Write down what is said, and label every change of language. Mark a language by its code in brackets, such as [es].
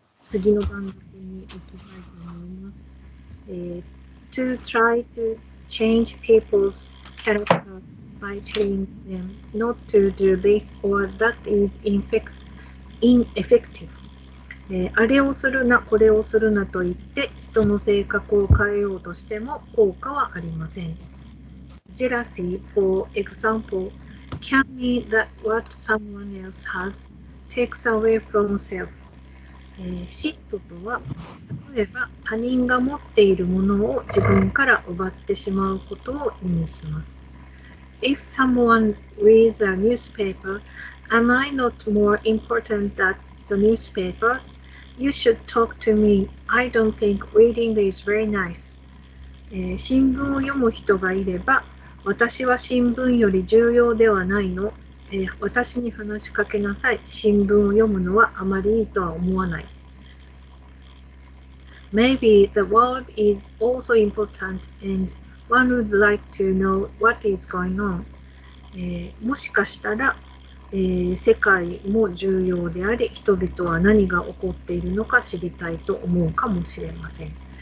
[ja] 次の番組に行きたいと思います。 [en] To try to change people's characters by telling them not to do this or that is ineffective. [ja] あれをするな、これをするなと言って人の性格を変えようとしても効果はありません。 [en] Jealousy, for example, can mean that what someone else has takes away from self. [ja] 嫉妬とは、例えば他人が持っているものを自分から奪ってしまうことを意味します。 [en] If someone reads a newspaper, am I not more important than the newspaper? You should talk to me. I don't think reading is very nice. [ja] 新聞を読む人がいれば、私は新聞より重要ではないの。私に話しかけなさい。新聞を読むのはあまりいいとは思わない。 [en] Maybe the world is also important and one would like to know what is going on. [ja] もしかしたら、世界も重要であり、人々は何が起こっているのか知りたいと思うかもしれません。